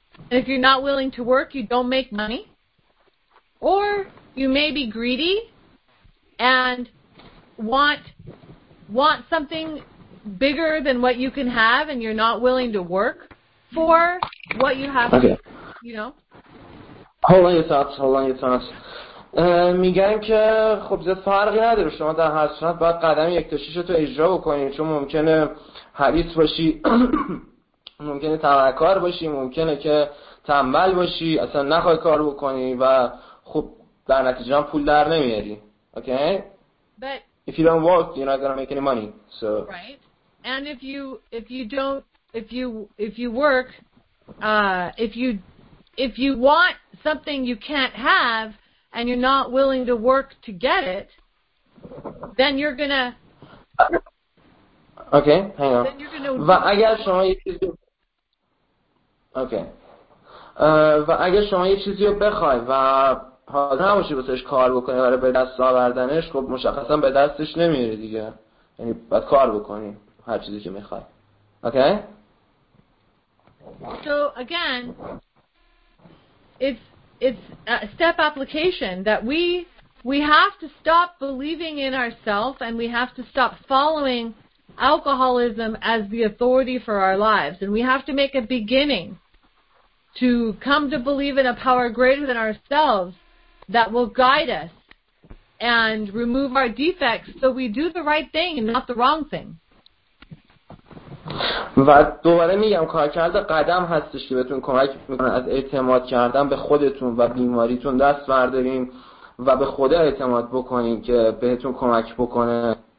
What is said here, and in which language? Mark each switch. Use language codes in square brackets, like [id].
[en] And if you're not willing to work, you don't make money. Or you may be greedy and want something bigger than what you can have, and you're not willing to work for what you have. Okay. You know? Hold on your thoughts. [fa] میگن که خب زیاد فرقی نداره، شما در هر صورت باید قدم 1 تا 6 رو اجرا بکنید، چون ممکنه حریص باشی، ممکنه تمرکار باشی، ممکنه که تنبل باشی، اصلا نخواهی کار بکنی و خب در نتیجه هم پول در نمیاری. [en] Okay? But if you don't work, you're not going to make any money. So right. And if you want something you can't have and you're not willing to work to get it, then you're gonna okay hang on then you're gonna... [fa] و اگر شما یه چیزی... okay و اگه شما یه چیزی رو بخوای و حاضر نباشی واسش کار بکنی برای به دست آوردنش، خب مشخصا به دستش نمیری دیگه، یعنی باید کار بکنی هر چیزی که میخوای. [en] Okay? So again, it's a step application that we have to stop believing in ourselves and we have to stop following alcoholism as the authority for our lives, and we have to make a beginning to come to believe in a power greater than ourselves that will guide us and remove our defects so we do the right thing and not the wrong thing. [fa] و دوباره میگم کارکرد قدم هستش که بهتون کمک میکنه از اعتماد کردن به خودتون و بیماریتون دست برداریم و به خدا اعتماد بکنین که بهتون کمک بکنه.